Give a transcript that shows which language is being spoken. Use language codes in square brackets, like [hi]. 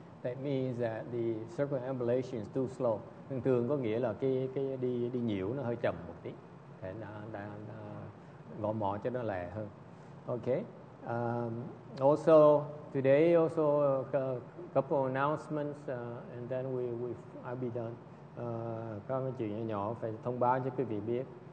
[en] That means that the circumambulation is too slow. [vi] Thường thường có nghĩa là cái đi nhiều nó hơi chậm một tí. Thế là gõ mỏ cho nó lẹ hơn. Okay. [en] Also today also couple of announcements and then I'll be done. [vi] Có một chuyện nhỏ phải thông báo cho quý vị biết.